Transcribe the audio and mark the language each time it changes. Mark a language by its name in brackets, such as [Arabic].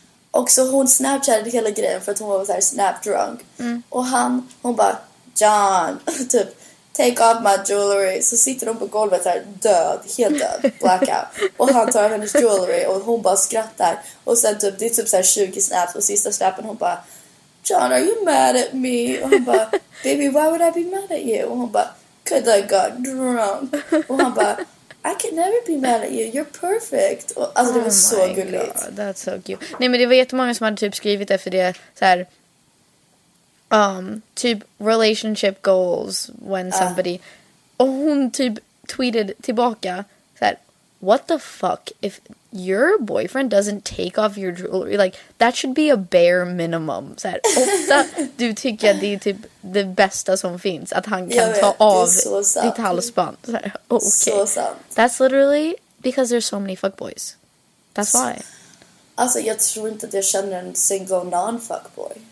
[Swedish] Och så hon Snapchatade hela grejen för att hon var så här snapdrunk. Mm. Och hon bara, John, typ [English] take off my jewelry. [Swedish] Så sitter hon på golvet här, död, helt död, blackout. Och han tar hennes jewelry och hon bara skrattar. Och sen typ, det är typ så här 20 snaps. Och sista snappen hon bara, John, [English] are you mad at me? [Swedish] Och hon bara, [English] baby, why would I be mad at you? [Swedish] Och hon bara, [English] could I got drunk? [Swedish] Och han bara, [English] I can never be mad at you, you're perfect. [Swedish] Och alltså det var oh så gulligt. [English] God, that's so cute. [Swedish] Nej men det var jättemånga som hade typ skrivit efter det så här. Typ [English] relationship goals when somebody... [Swedish] Och hon typ [English] tweeted [Swedish] tillbaka så här, [English] what the fuck if your boyfriend doesn't take off your jewelry, like that should be a bare minimum. [Swedish] Så här, ofta du tycker att det är typ det bästa som finns att han kan ta av ditt halsband. Så här, okay. Så sant. [English] That's literally because there's so many fuckboys. That's why. [Swedish] Alltså jag tror inte att jag känner en single non-fuckboy.